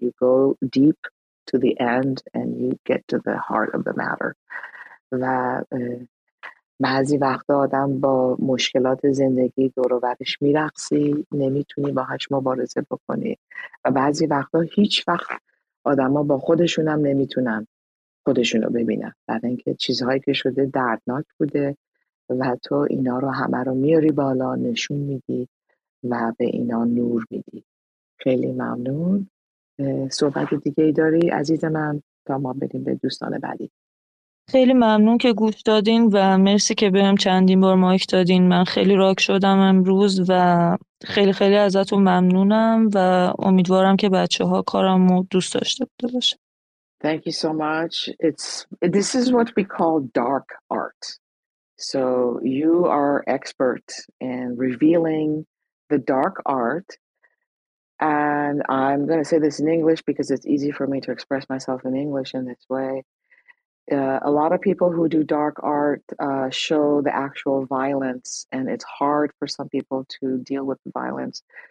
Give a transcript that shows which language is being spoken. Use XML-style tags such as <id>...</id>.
<en>You go deep to the end and you get to the heart of the matter.</en> <fa>و بعضی وقتا آدم با مشکلات زندگی دور و برش میرقصی، نمیتونی باهاش مبارزه بکنی. و بعضی وقتا هیچ وقت آدم ها با خودشونم نمیتونن خودشون رو ببینن، برای اینکه چیزهایی که شده دردناک بوده و تو اینا رو همه رو میاری بالا، نشون میدی و به اینا نور میدی. خیلی ممنون. صحبت دیگه ای داری عزیز من تا ما بریم به دوستان بعدی؟ خیلی ممنون که گوش دادین و مرسی که بهم چندین بار مایک دادین. من خیلی راک شدم امروز و خیلی خیلی ازتون ممنونم و امیدوارم که بچه ها کارم رو دوست داشته بوده باشه.</fa> <en>Thank you so much. This is what we call dark art. So you are expert in revealing the dark art. And I'm going to say this in English because it's easy for me to express myself in English in this way. A lot of people who do dark art show the actual violence, and it's hard for some people to deal with the violence.</en>